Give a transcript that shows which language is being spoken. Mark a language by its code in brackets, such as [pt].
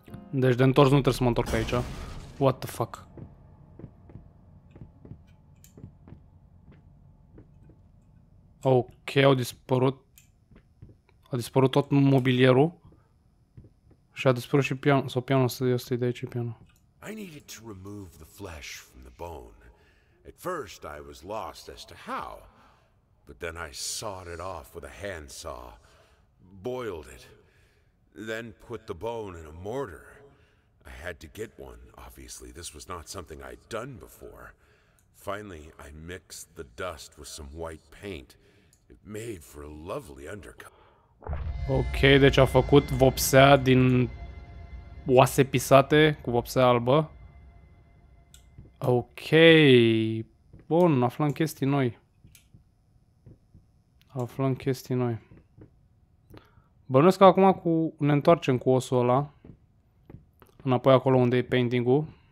[ro] Deci de întors nu trebuie să mă întorc aici. [en] What the fuck? [ro] Ok, au dispărut. A dispărut tot mobilierul. Și a dispărut și pian, sau pianul ăsta, ăsta e de aici, pianul. [en] I needed to remove the flesh from the bone. At first I was lost as to how, but then I sawed it off with a handsaw, boiled it, then put the bone in a mortar. I had to get one, obviously. This was not something I'd done before. Finally, I mixed the dust with some white paint. It made for a lovely undercoat. [ro] Ok, deci a făcut vopsea din oase pisate cu vopsea albă. Ok. Bun, aflăm chestii noi. Aflăm chestii noi. Bănuiesc că acum cu ne întoarcem cu osul ăla înapoi acolo unde e painting-ul.